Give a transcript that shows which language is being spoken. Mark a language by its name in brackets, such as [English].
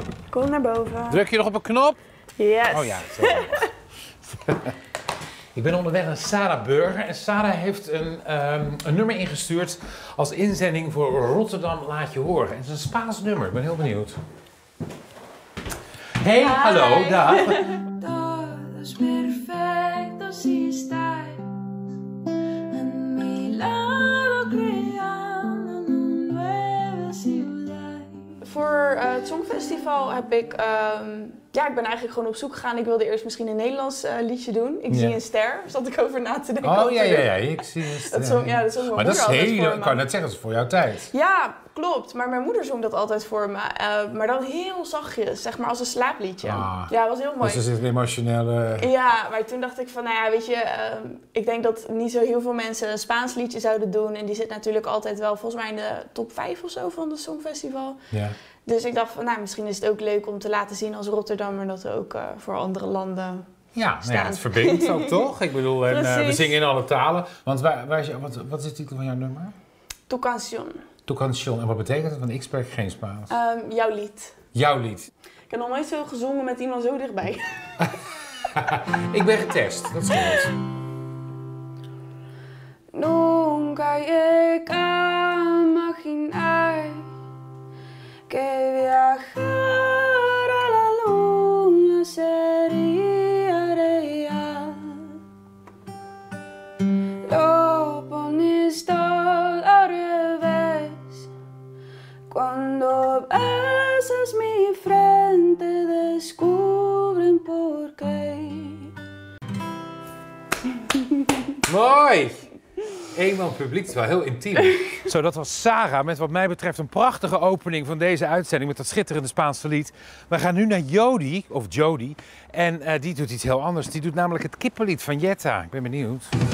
[Dutch] Kom naar boven. Druk je nog op een knop? [English] Yes. [Dutch] Oh ja. Ik ben onderweg naar Sarah Burger. En Sarah heeft een nummer ingestuurd als inzending voor Rotterdam Laat Je Horen. En het is een Spaans nummer. Ik ben heel benieuwd. Hey, hi. Hallo, dag. [Spanish] Todo es perfecto si estás en mi lado creando una nueva ciudad. [Dutch] Voor het Songfestival heb ik, ik ben eigenlijk gewoon op zoek gegaan. Ik wilde eerst misschien een Nederlands liedje doen. Ik zie een ster, zat ik over na te denken. Oh ja, ik zie een ster. Dat zong mijn moeder altijd voor me. Ik kan net zeggen, dat is voor jouw tijd. Ja, klopt. Maar mijn moeder zong dat altijd voor me. Maar dan heel zachtjes, zeg maar als een slaapliedje. Ah, ja, was heel mooi. Dat is een emotionele... Ja, maar toen dacht ik van, nou ja, weet je, ik denk dat niet zo heel veel mensen een Spaans liedje zouden doen. En die zit natuurlijk altijd wel volgens mij in de top 5 of zo van het Songfestival. Ja. Dus ik dacht van, nou, misschien is het ook leuk om te laten zien als Rotterdammer dat we ook voor andere landen staan. Ja, het verbindt ook toch? Ik bedoel, en, we zingen in alle talen. Want wat is de titel van jouw nummer? [Spanish] Tu canción. Tu canción. [Dutch] En wat betekent dat? Want ik spreek geen Spaans. Jouw lied. Jouw lied. Ik heb nog nooit zo gezongen met iemand zo dichtbij. Ik ben getest, dat scheelt. [Spanish] Nunca llegué a imaginar. Que viajar a la luna sería real. Lo pones todo al revés cuando besas mi frente descubren por qué. [Dutch] Mooi. Eenmaal publiek, het is wel heel intiem. Zo, dat was Sarah met wat mij betreft een prachtige opening van deze uitzending met dat schitterende Spaanse lied. We gaan nu naar Jody, of Jody, en die doet iets heel anders. Die doet namelijk het kippenlied van Jetta. Ik ben benieuwd.